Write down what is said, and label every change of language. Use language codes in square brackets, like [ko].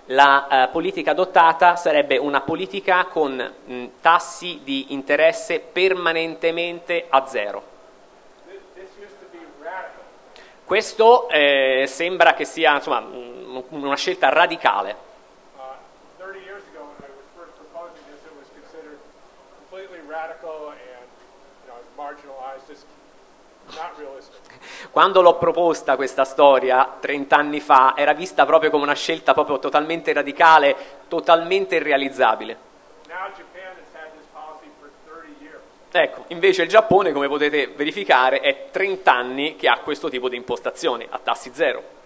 [it] La politica adottata sarebbe una politica con tassi di interesse permanentemente a zero. Questo sembra che sia, insomma, una scelta radicale. [en] 30 years ago when I was first proposing this, it was considered completely radical and, you know, marginalized, just not realistic. [it] Quando l'ho proposta questa storia 30 anni fa era vista proprio come una scelta proprio totalmente radicale, totalmente irrealizzabile. Ecco, invece il Giappone, come potete verificare, è 30 anni che ha questo tipo di impostazione a tassi zero.